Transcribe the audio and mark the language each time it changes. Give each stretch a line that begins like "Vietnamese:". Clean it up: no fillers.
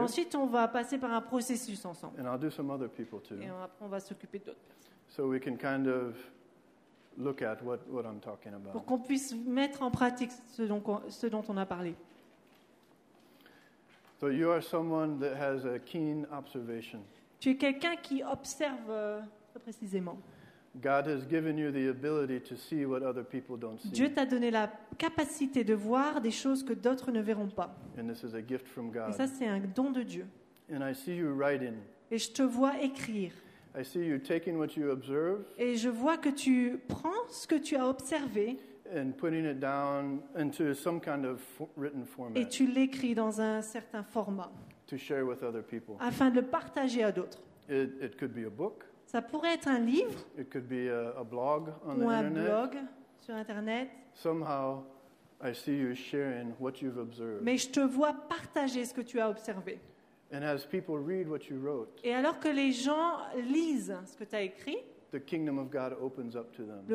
French: Ensuite, on va passer par un processus ensemble.
English: And I'll do some other people too.
French: Et après, on va s'occuper d'autres personnes.
English: So we can kind of look at what I'm talking about.
French: Pour qu'on puisse mettre en pratique ce dont on a parlé.
English: So you are someone that has a keen observation.
French: Tu es quelqu'un qui observe très précisément.
English: God has given you the ability to see what other people don't see.
French: Dieu t'a donné la capacité de voir des choses que d'autres ne verront pas.
English: And this is a gift from God.
French: Et ça c'est un don de Dieu.
English: And I see you writing.
French: Et je te vois écrire.
English: I see you taking what you observe.
French: Et je vois que tu prends ce que tu as observé.
English: And putting it down into some kind of written format.
French: Et tu l'écris dans un certain format.
English: To share with other people.
French: Afin de le partager à d'autres.
English: It could be a book.
French: Ça pourrait être un livre.
English: It could be a blog on
French: ou un
English: internet.
French: Blog sur internet.
English: Somehow, I see you sharing what you've observed.
French: Mais je te vois partager ce que tu as observé.
English: And as people read what you wrote.
French: Et alors que les gens lisent ce que tu as écrit.
English: The kingdom of God opens up to them.